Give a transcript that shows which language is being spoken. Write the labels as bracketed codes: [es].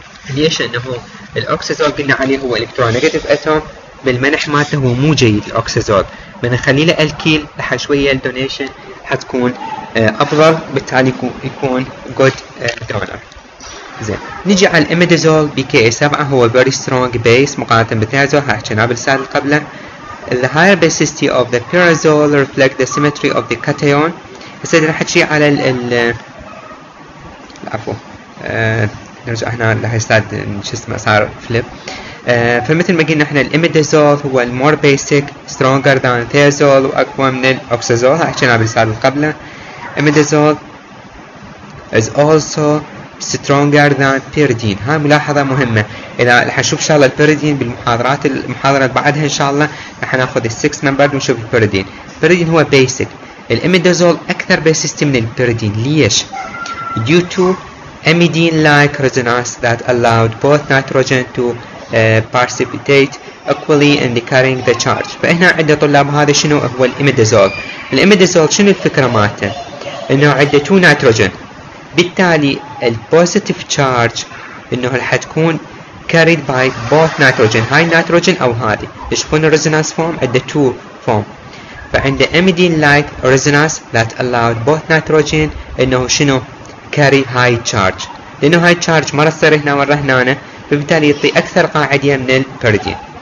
[ar] ليش؟ انه الاوكسازول قلنا عليه هو الكترونيجاتيف اتوم، بالمنح مالته هو مو جيد الاوكسازول، بنخلي له الكيل لح شويه الدونيشن حتكون افضل، بالتالي يكون جود دونر. زين نجي على الاميدازول بي كي 7 هو [en] very strong base [ar] مقارنه بالثيازول، حكينا بالسائل اللي قبله. [en] The higher basicity of the pyrazole reflect the symmetry of the cation. [ar] هسه راح احكي على عفوا نرجع هنا لهي السلايد شو اسمه صار فليب. فمثل ما قلنا احنا الاميدازول هو [en] المور basic stronger than thiazole [ar] واقوى من الاوكسازول، حكينا بالسؤال اللي قبله. [en] imidazole is also stronger than pyridine, [ar] هاي ملاحظه مهمه، اذا رح نشوف ان شاء الله البيردين بالمحاضرات المحاضره بعدها ان شاء الله رح ناخذ السكس نمبر ونشوف البيردين. البيردين هو بيسك، الاميدازول اكثر بيسيستي من البيردين، ليش؟ [en] due to amidine like resonance that allowed both nitrogen to participate equally in the carrying the charge. [ar] فهنا عند طلاب هذا شنو هو الاميدازول؟ الاميدازول شنو الفكره مالته؟ انه عنده 2 نيتروجين، بالتالي البوزيتيف تشارج انه راح تكون [en] carried by both nitrogen, [ar] هاي النيتروجين او هذه. تشوفون الريزونانس فورم عنده 2 فورم، فعنده [en] اميدين like resonance that الاود both nitrogen [ar] انه شنو كاري هاي تشارج، لانه هاي تشارج ما تصير هنا ولا هنا، فبالتالي يعطي اكثر قاعديه من البيردين.